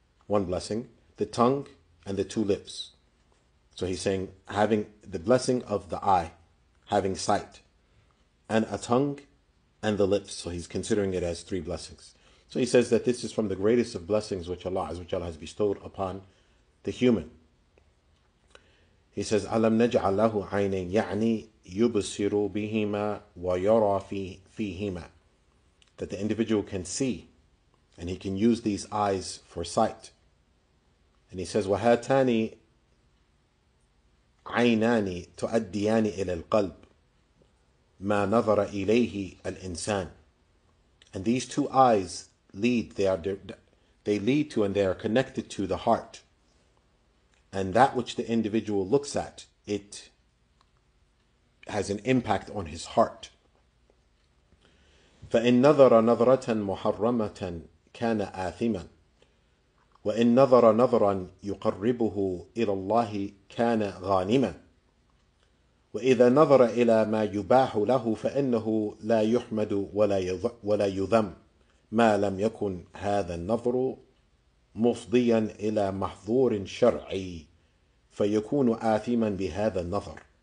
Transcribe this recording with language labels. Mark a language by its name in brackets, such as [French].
[English] The tongue and the two lips. So he's saying, having the blessing of the eye, having sight, and a tongue and the lips. So he's considering it as three blessings. So he says that this is from the greatest of blessings which Allah Azza wa Jalla has bestowed upon the human. He says, [Arabic] أَلَمْ نَجْعَلْ لَهُ عَيْنَيْنِ يَعْنِي يُبْصِرُ بِهِمَا وَيَرَى فِيهِمَا. [English] That the individual can see, and he can use these eyes for sight. And he says, [Arabic] وَهَاتَانِ عَيْنَانِ تُؤَدِّيَانِ إِلَى الْقَلْبِ مَا نَظَرَ إِلَيْهِ الْإِنسَانِ. [English] And these two eyes lead, they lead to, and they are connected to the heart. And that which the individual looks at, it has an impact on his heart. [Arabic] فَإِن نَظَرَ نَظْرَةً مُحَرَّمَةً كَانَ آثِمًا وَإِن نَظَرَ نَظْرًا يُقَرِّبُهُ إِلَى اللَّهِ كَانَ غَانِمًا وَإِذَا نَظَرَ إِلَى مَا يُبَاحُ لَهُ فَإِنَّهُ لَا يُحْمَدُ وَلَا يُذَمْ مَا لَمْ يَكُنْ هَذَا النَّظْرُ مُفْضِيًا إِلَى مَحْظُورٍ شَرْعِي فَيَكُونُ آثِمًا بِهَذَا النَّظَرِ.